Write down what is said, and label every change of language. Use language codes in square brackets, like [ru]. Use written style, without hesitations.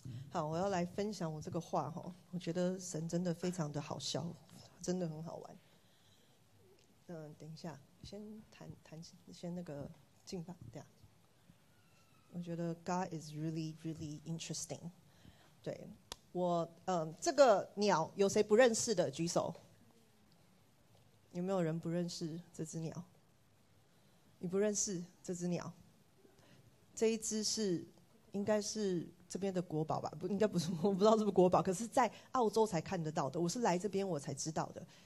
[zh] 好，我要来分享我这个话。我觉得神真的非常的好笑，真的很好玩。等一下先谈先那个敬拜。对啊，我觉得 [en] God is really really interesting。 [zh] 对，我这个鸟有谁不认识的举手？有没有人不认识这只鸟？你不认识这只鸟？这一只是应该是这边的国宝吧，应该不是，我不知道是不是国宝，可是在澳洲才看得到的，我是来这边我才知道的。